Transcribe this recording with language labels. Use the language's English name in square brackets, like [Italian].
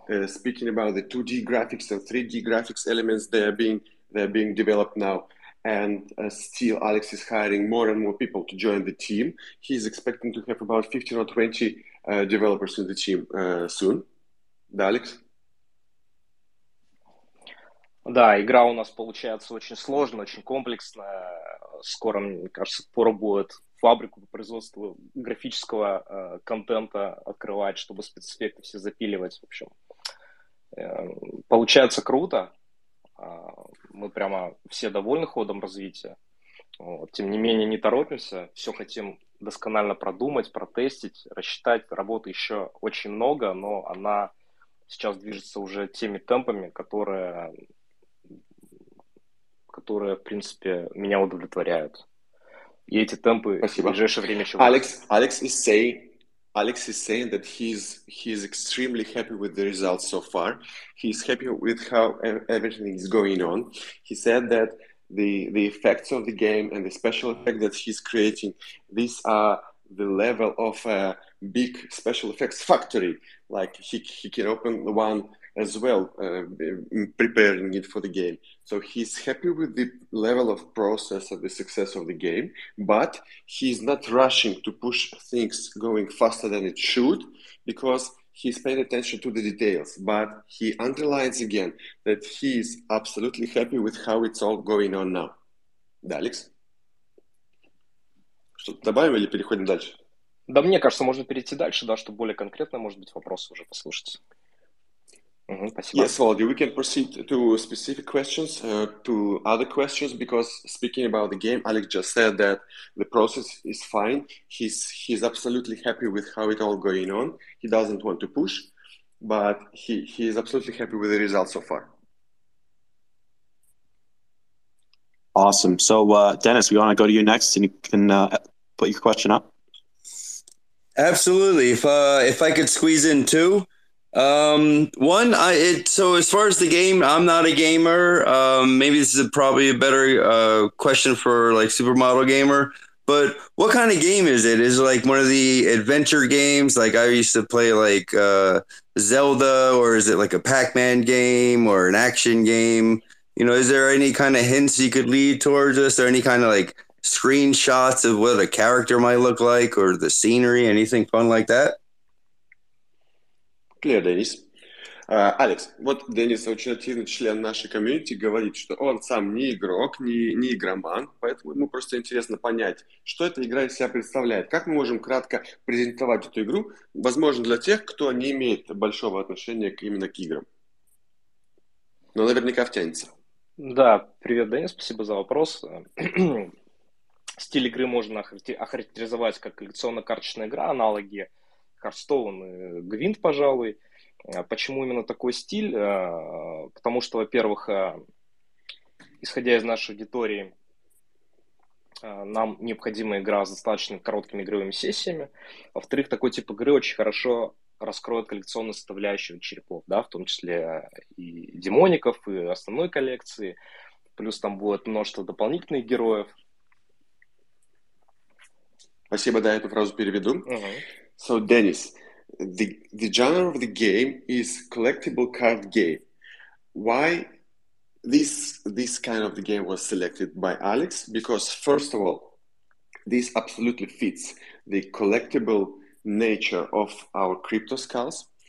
[English] Speaking about the 2D graphics and 3D graphics elements, they are being developed now. And still, Alex is hiring more and more people to join the team. He's expecting to have about 15 or 20 developers in the team soon. [Russian] Да, Алекс? Да, игра у нас получается очень сложная, очень комплексная. Скоро, мне кажется, пора будет фабрику по производству графического контента открывать, чтобы спецэффекты все запиливать. В общем, получается круто. Мы прямо все довольны ходом развития. Вот. Тем не менее, не торопимся. Все хотим досконально продумать, протестить, рассчитать. Работы еще очень много, но она сейчас движется уже теми темпами, которые, в принципе, меня удовлетворяют. И эти темпы спасибо. В ближайшее время еще... [English] Alex is saying that he's extremely happy with the results so far. He's happy with how everything is going on. He said that the effects of the game and the special effect that he's creating, these are the level of a big special effects factory. Like he can open one as well, preparing it for the game. So he's happy with the level of process of the success of the game, but he's not rushing to push things going faster than it should, because he's paying attention to the details. But he underlines again that he's absolutely happy with how it's all going on now. [Russian] Далекс? Что-то добавим или переходим дальше? Да, мне кажется, можно перейти дальше, да, чтобы более конкретно, может быть, вопросы уже послушать. [English] Mm-hmm, yes, well, we can proceed to specific questions, to other questions, because speaking about the game, Alex just said that the process is fine. He's absolutely happy with how it all going on. He doesn't want to push, but he is absolutely happy with the results so far. Awesome. So, Dennis, we want to go to you next, and you can put your question up. Absolutely. If I could squeeze in two. So as far as the game, I'm not a gamer. Maybe this is probably a better question for like Supermodel Gamer, but what kind of game is it? Is it like one of the adventure games? Like I used to play like Zelda, or is it like a Pac-Man game or an action game? You know, is there any kind of hints you could lead towards us, or any kind of like screenshots of what a character might look like or the scenery, anything fun like that? Clear, Денис. [Russian] Алекс, вот Денис очень активный член нашей комьюнити, говорит, что он сам не игрок, не игроман, поэтому ему просто интересно понять, что эта игра из себя представляет. Как мы можем кратко презентовать эту игру, возможно, для тех, кто не имеет большого отношения именно к играм. Но наверняка втянется. Да, привет, Денис, спасибо за вопрос. Стиль игры можно охарактеризовать как коллекционно-карточная игра, аналоги Карстоун и Гвинт, пожалуй. Почему именно такой стиль? Потому что, во-первых, исходя из нашей аудитории, нам необходима игра с достаточно короткими игровыми сессиями. Во-вторых, такой тип игры очень хорошо раскроет коллекционную составляющую черепов, да, в том числе и демоников, и основной коллекции. Плюс там будет множество дополнительных героев. Спасибо, да, эту фразу переведу. Uh-huh. [English] So, Dennis, the genre of the game is collectible card game. Why this kind of the game was selected by Alex? Because, first of all, this absolutely fits the collectible nature of our crypto skulls.